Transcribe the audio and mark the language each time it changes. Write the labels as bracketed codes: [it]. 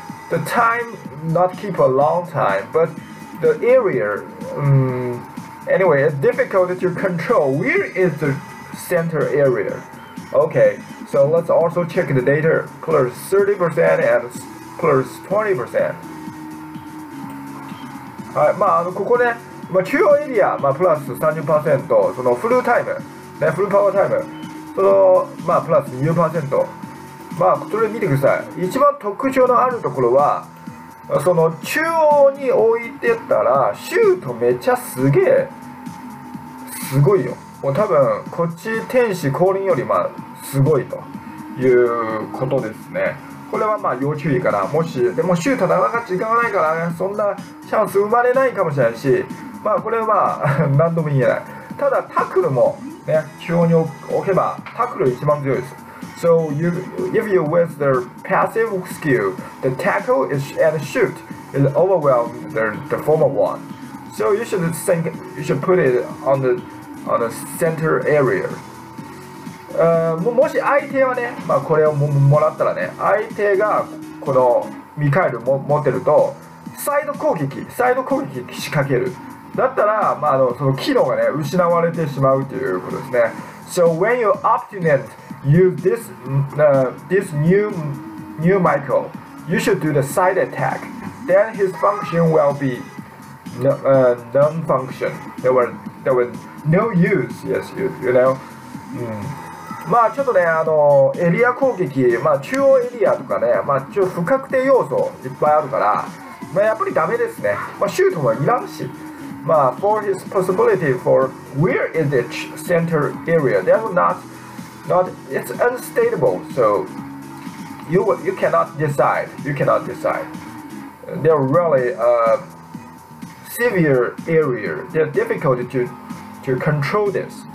[en] The time not keep a long time, but the area anyway it's difficult to control where is the center area. Okay, so let's also check the data, plus 30% and plus 20%. [ja] Alright, まあ、ここね、まあ、中央エリア、まあ、プラス 30%、そのフルタイム、ね、フルパワータイム、その、まあ、プラス 20%。まあ、それ見てください。一番特徴のあるところは、その中央に置いてたら、シュートめっちゃすげえ、すごいよ。もう多分、こっち天使降臨より、まあ、すごいということですね。これはまあ要注意かな。もし、でもシュートなかなか時間がないからね、そんなチャンス生まれないかもしれないし、まあこれは何度も言えない。ただタックルもね、中央に置けばタックル一番強いです。 [en] So, if you with the passive skill, the tackle is, and shoot is overwhelmed the former one. So you should think, you should put it on the center area. [ja] もし相手はね、まあ、これを もらったらね、相手がこのミカエルを持ってるとサイド攻撃仕掛けるだったら、まあ、その機能がね失われてしまうということですね。 [en] So when you opponent use this,、this new Michael, you should do the side attack. Then his function will be non-function. There were no use. Yes, you know.、 [ja] まあちょっとね、エリア攻撃、まあ中央エリアとかね、まあちょっと不確定要素いっぱいあるから、まあやっぱりダメですね。まあシュートもいらんし。 [en] まあ for his possibility for where is the center area, that's not, it's unstable, so you cannot decide, They're really a severe area, they're difficult to control this.